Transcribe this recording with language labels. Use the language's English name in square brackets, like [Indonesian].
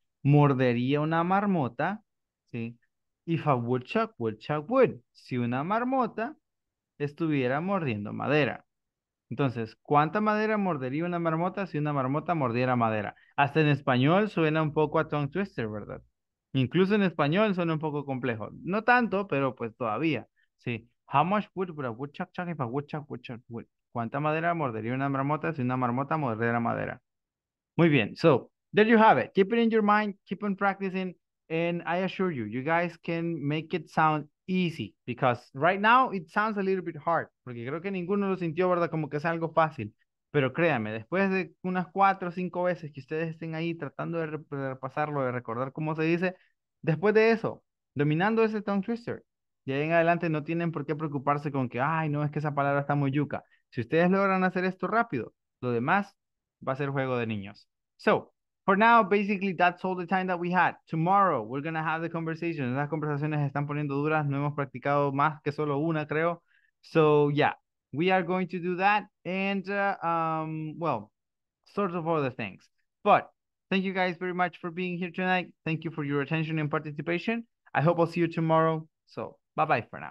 [Spanish] Mordería una marmota, ¿sí? [English] If a woodchuck would chuck wood. [Spanish] Si una marmota estuviera mordiendo madera. Entonces, ¿cuánta madera mordería una marmota si una marmota mordiera madera? Hasta en español suena un poco a tongue twister, ¿verdad? Incluso en español suena un poco complejo. No tanto, pero pues todavía, sí. [English] How much wood would a woodchuck chuck if a woodchuck would chuck wood? [Spanish] ¿Cuánta madera mordería una marmota si una marmota mordiera madera? Muy bien, [English] so, there you have it. Keep it in your mind, keep on practicing. And I assure you, you guys can make it sound easy because right now it sounds a little bit hard. [Spanish] Porque creo que ninguno lo sintió, ¿verdad? Como que es algo fácil. Pero créanme, después de unas 4 o 5 veces que ustedes estén ahí tratando de repasarlo, de recordar cómo se dice, después de eso, dominando ese tongue twister, de ahí en adelante no tienen por qué preocuparse con que, ay, no, es que esa palabra está muy yuca. Si ustedes logran hacer esto rápido, lo demás va a ser juego de niños. [English] So, for now, basically, that's all the time that we had. Tomorrow, we're going to have the conversation. [Spanish] Las conversaciones están poniendo duras. No hemos practicado más que solo una, creo. [English] So, yeah, we are going to do that. And, well, sort of other things. But thank you guys very much for being here tonight. Thank you for your attention and participation. I hope I'll see you tomorrow. So, bye-bye for now.